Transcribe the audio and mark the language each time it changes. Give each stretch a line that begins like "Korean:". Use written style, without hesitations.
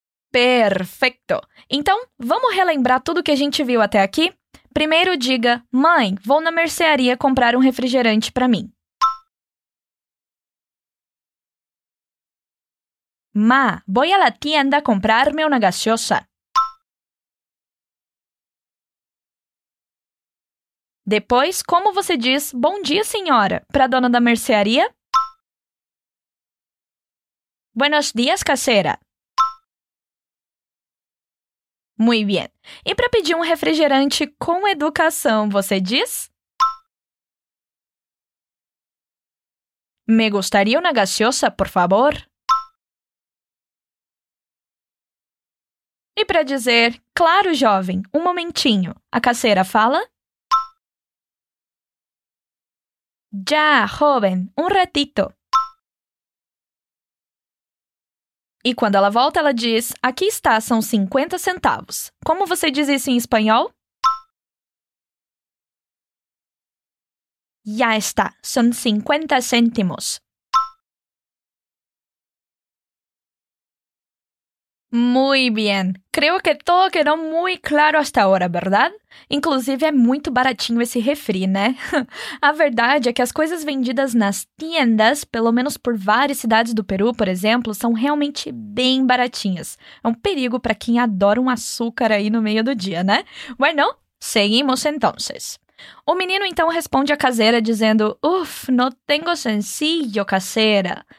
Portuguese: Perfeito! Então, vamos relembrar tudo que a gente viu até aqui? Primeiro diga, mãe, vou na mercearia comprar um refrigerante para mim.
Spanish: Ma, voy a la tienda a comprarme una gaseosa.
Portuguese: Depois, como você diz bom dia, senhora, para a dona da mercearia?
Spanish: Buenos días, casera. Muy bien.
Portuguese: E para pedir um refrigerante com educação, você diz?
Spanish: Me gustaría una gaseosa, por favor.
Portuguese: E para dizer, claro, jovem, um momentinho, a caseira fala?
Spanish: Ya, joven, un ratito.
Portuguese: E quando ela volta, ela diz, aqui está, são 50 centavos. Como você diz isso em espanhol?
Spanish: Ya está, son 50 céntimos. Muy bien. Creo que todo quedó muy claro hasta ahora, ¿verdad?
Portuguese: Inclusive, é muito baratinho esse refri, né? A verdade é que as coisas vendidas nas tiendas, pelo menos por várias cidades do Peru, por exemplo, são realmente bem baratinhas. É um perigo para quem adora um açúcar aí no meio do dia, né?
Spanish: Bueno, seguimos entonces.
Portuguese: O menino então responde a caseira dizendo, uff,
Spanish: no tengo sencillo, caseira.